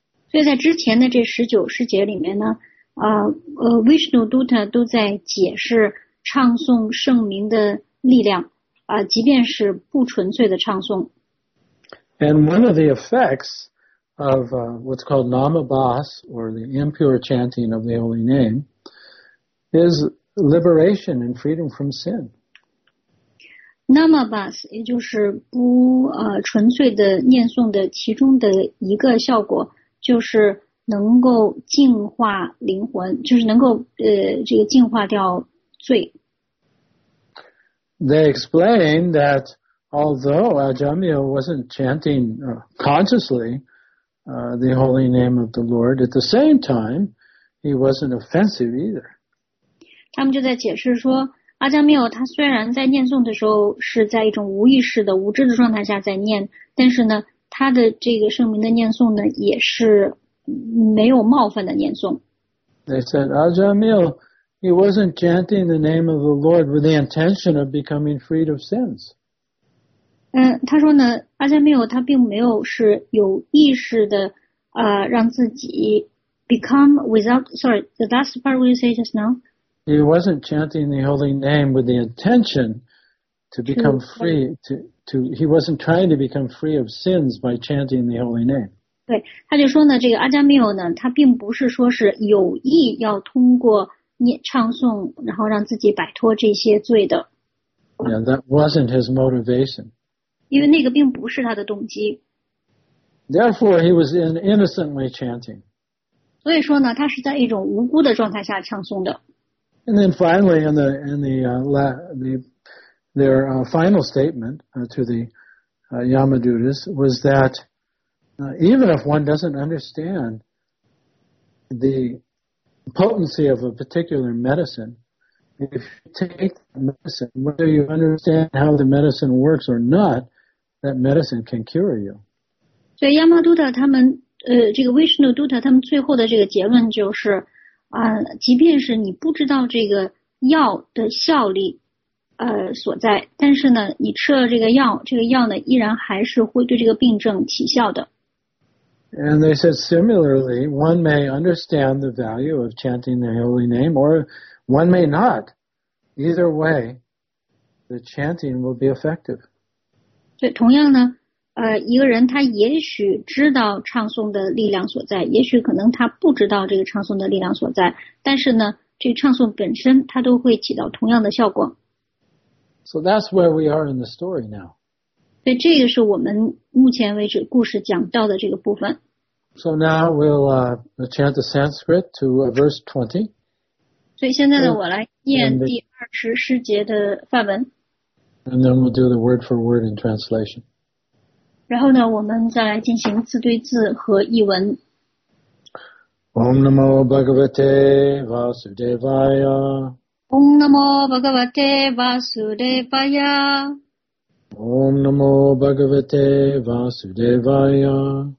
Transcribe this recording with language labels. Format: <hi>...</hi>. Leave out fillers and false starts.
<zh>所以在之前的这十九世节里面呢，Vishnu Dutta 都在解释唱诵圣名的力量，即便是不纯粹的唱诵。</zh> <en>And one of the effects of what's called namabhas, or the impure chanting of the holy name, is liberation and freedom from sin.</en> <zh>Namabhas, 也就是不纯粹的念诵的其中的一个效果，就是能够净化灵魂，就是能够这个净化掉罪。</zh> <en>They explain that although Ajamiya wasn't chanting consciously the holy name of the Lord, at the same time, he wasn't offensive either.</en> <zh>他们就在解释说，阿加缪他虽然在念诵的时候是在一种无意识的、无知的状态下在念，但是呢，他的这个圣名的念诵呢，也是没有冒犯的念诵。</zh> <en>They said, Ajamiya, he wasn't chanting the name of the Lord with the intention of becoming freed of sins.</en> <zh>他说呢，阿加缪他并没有是有意识的，让自己</zh> <en>become without, sorry, the last part we say just now. He wasn't chanting the holy name with the intention to become free. He wasn't trying to become free of sins by chanting the holy name.</en> <zh>对，他就说呢，这个阿加缪呢，他并不是说是有意要通过念唱诵，然后让自己摆脱这些罪的。</zh> <en>Yeah, that wasn't his motivation.</en> <zh>因为那个并不是他的动机。</zh> <en>Therefore, he was innocently chanting.</en> <zh>所以说呢，他是在一种无辜的状态下唱诵的。</zh> <en>And then finally, their final statement to the Yamadutas was that even if one doesn't understand the potency of a particular medicine, if you take the medicine, whether you understand how the medicine works or not, that medicine can cure you.</en> <zh>So Yamadutta, 他们这个 Vishnu Dutta, 他们最后的这个结论就是。即便是你不知道这个药的效力所在，但是呢你吃了这个药呢依然还是会对这个病症起效的。</zh> <en>And they said similarly, one may understand the value of chanting the holy name, or one may not. Either way, the chanting will be effective.</en> <zh>对，同样呢一个人他也许知道唱诵的力量所在，也许可能他不知道这个唱诵的力量所在，但是呢，这个唱诵本身它都会起到同样的效果。</zh> <en>So that's where we are in the story now.</en> <zh>对，这个是我们目前为止故事讲到的这个部分。</zh> <en>So now we'll chant the Sanskrit to verse 20.</en> <zh>所以现在呢，我来念第二十诗节的梵文。</zh> <en>And then we'll do the word for word in translation.</en> <zh>然后呢，我们再来进行字对字和译文。</zh> <sa>Om namo bhagavate vasudevaya. Om namo bhagavate vasudevaya. Om namo bhagavate vasudevaya.</sa>